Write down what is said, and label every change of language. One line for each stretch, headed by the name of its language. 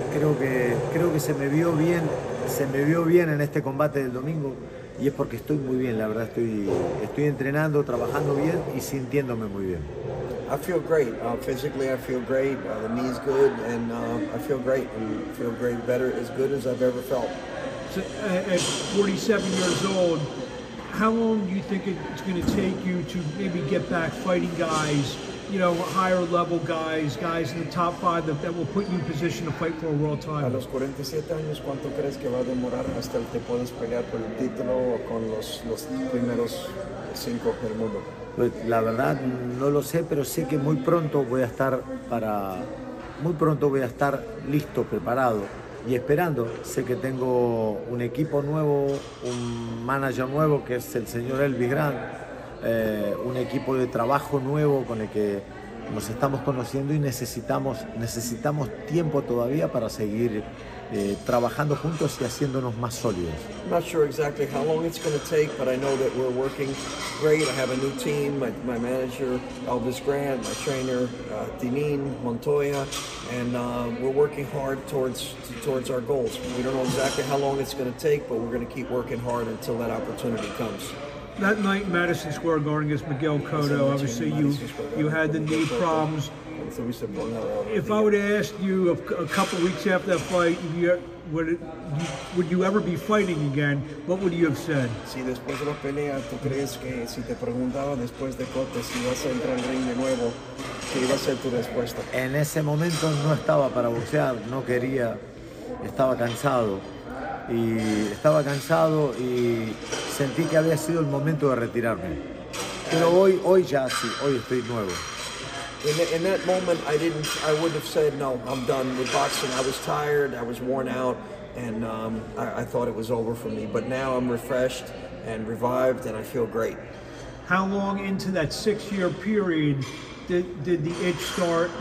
Spanish: Creo que se me vio bien en este combate del domingo y es porque estoy muy bien. La verdad, estoy entrenando, trabajando bien y sintiéndome muy bien.
English: I feel great. Physically, I feel great. The knee is good, and I feel great. I feel great, better, as good as I've ever felt. So, at 47 years old, how long do you think it's going to take you to maybe get back fighting guys, you know, higher level guys, guys in the top five that will put you in position to fight for a world title?
Spanish: A los 47 años, ¿cuánto crees que va a demorar hasta que te puedes pelear por el título o con los primeros cinco del mundo? Pues la verdad no lo sé, pero sé que muy pronto voy a estar listo, preparado y esperando. Sé que tengo un equipo nuevo, un manager nuevo que es el señor Elvis Grant, un equipo de trabajo nuevo con el que nos estamos conociendo y necesitamos tiempo todavía para seguir trabajando juntos y haciéndonos más sólidos.
English: I'm not sure exactly how long it's going to take, but I know that we're working great. I have a new team, my manager, Elvis Grant, my trainer, Dineen Montoya, and we're working hard towards our goals. We don't know exactly how long it's going to take, but we're going to keep working hard until that opportunity comes. That night in Madison Square Garden against Miguel Cotto, obviously you had the knee problems. If I would ask you a couple of weeks after that fight, would you ever be fighting again? What would you have said?
Spanish: Si después de la pelea, ¿tú crees que si te preguntaba después de Cotto si vas a entrar al ring de nuevo, qué iba a ser tu respuesta? En ese momento no estaba para boxear, no quería, estaba cansado y sentí que había sido el momento de retirarme. Pero hoy ya sí, hoy estoy nuevo.
English: In that moment, I would have said, no, I'm done with boxing. I was tired, I was worn out, and I thought it was over for me. But now I'm refreshed and revived, and I feel great. How long into that six-year period did the itch start?